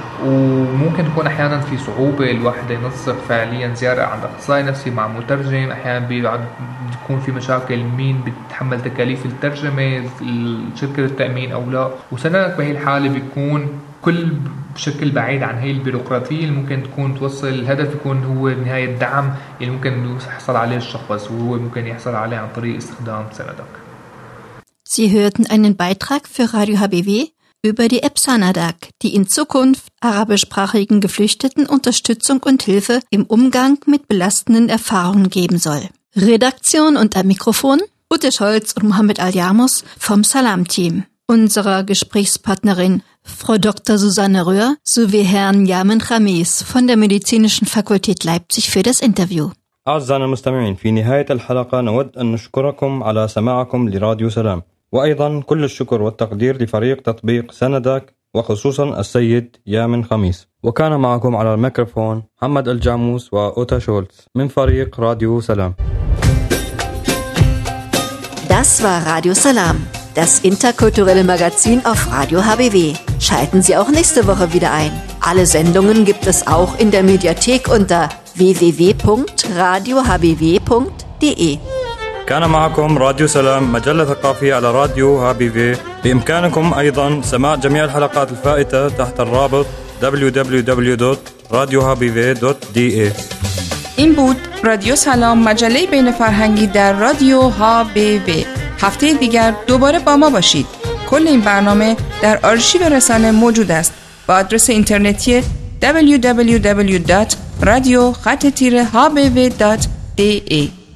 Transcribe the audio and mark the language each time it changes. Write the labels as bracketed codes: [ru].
[ar] وممكن تكون احيانا في صعوبه الواحد ينسق فعليا زياره عند اخصائي نفسي مع مترجم، احيانا بيكون في مشاكل مين بيتحمل تكاليف الترجمه، شركه التامين او لا. وسندك بهي الحاله بيكون كل بشكل بعيد عن هاي البيروقراطية اللي ممكن تكون توصل الهدف، يكون هو نهاية الدعم اللي ممكن يحصل عليه الشخص، وهو ممكن يحصل عليه عن طريق استخدام سندك. [de] Sie hörten einen Beitrag für Radio HBW über die App Sanadak, die in Zukunft arabischsprachigen Geflüchteten Unterstützung und Hilfe im Umgang mit belastenden Erfahrungen geben soll. Redaktion und am Mikrofon Ute Scholz und Mohammed Al-Yamos vom Salam-Team. Unsere Gesprächspartnerin Frau Dr. Susanne Röhr sowie Herrn Yamin Khamis von der Medizinischen Fakultät Leipzig für das Interview. [ar] أعزائي المستمعين، في نهاية الحلقة نود أن نشكركم على سماعكم لراديو سلام، وأيضا كل الشكر والتقدير لفريق تطبيق سندك وخصوصا السيد يامن خميس. وكان معكم على الميكروفون محمد الجاموس وأوتا شولتز من فريق راديو سلام. [de] Das war Radio Salam. Das interkulturelle Magazin auf Radio HBW. Schalten Sie auch nächste Woche wieder ein. Alle Sendungen gibt es auch in der Mediathek unter www.radiohbw.de. [ar] كان معكم راديو سلام، مجلة ثقافية على راديو HBW. بإمكانكم أيضا سماع جميع الحلقات الفائتة تحت الرابط www.radiohbw.de. [fa] این بود رادیو سلام، مجله بین فرهنگی در رادیو HBW. هفته دیگر دوباره با ما باشید. کل این برنامه در آرشیو رسانه موجود است با آدرس اینترنتی www.radio-hbw.de.